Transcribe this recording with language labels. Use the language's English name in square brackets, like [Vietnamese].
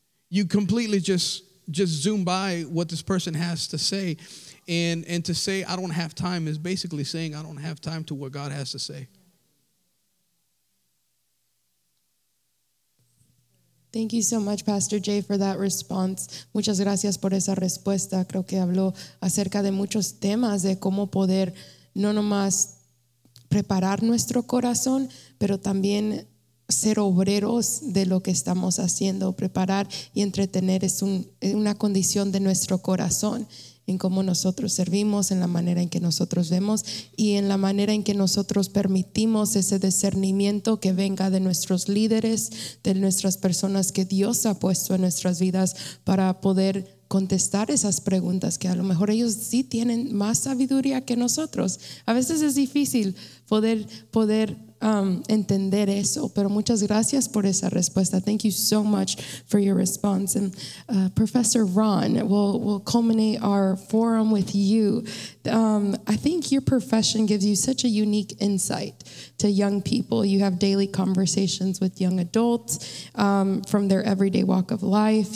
[English] You completely just zoom by what this person has to say. And to say, I don't have time, is basically saying, I don't have time to what God has to say. Thank you so much, Pastor Jay, for that response. [Spanish] Muchas gracias por esa respuesta. Creo que habló acerca de muchos temas de cómo poder no nomás preparar nuestro corazón, pero también ser obreros de lo que estamos haciendo. Preparar y entretener es una condición de nuestro corazón. en cómo nosotros servimos, en la manera en que nosotros vemos y en la manera en que nosotros permitimos ese discernimiento que venga de nuestros líderes, de nuestras personas que Dios ha puesto en nuestras vidas para poder contestar esas preguntas que a lo mejor ellos sí tienen más sabiduría que nosotros. A veces es difícil poder entender eso, pero muchas gracias por esa respuesta. [English] Thank you so much for your response. And Professor Ron, we'll culminate our forum with you. I think your profession gives you such a unique insight to young people. You have daily conversations with young adults from their everyday walk of life.